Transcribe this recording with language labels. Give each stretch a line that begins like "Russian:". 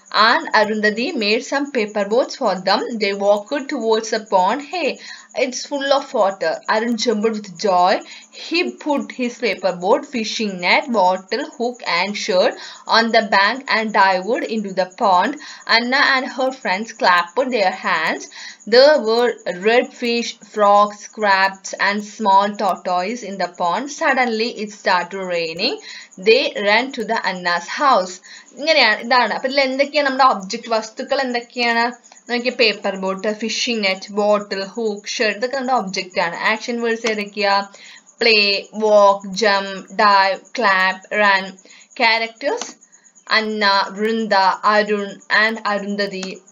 English: And Arundhati made some paper boats for them. They walked towards a pond. Hey, it's full of water. Arun jumped with joy. He put his paper boat, fishing net, bottle, hook and shirt on the bank and dived into the pond. Anna and her friends clapped their hands. There were redfish, frogs, crabs and small tortoises in the pond. Suddenly it started raining. They ran to the Anna's house.
Malayalam: ഇങ്ങനെയാണ്, ഇതാണ്. അപ്പൊ ഇതിൽ എന്തൊക്കെയാണ് നമ്മുടെ object, വസ്തുക്കൾ എന്തൊക്കെയാണ് നോക്കിയ, paper boat, phishing net, ബോട്ടിൽ, hook, shirt, ഇതൊക്കെ നമ്മുടെ ഒബ്ജക്റ്റ് ആണ്. ആക്ഷൻ വേർഡ്സ് ഏതൊക്കെയാ, play, walk, jump, dive, clap, run.
English: Characters Anna, Vrinda, Arun and Arundhati.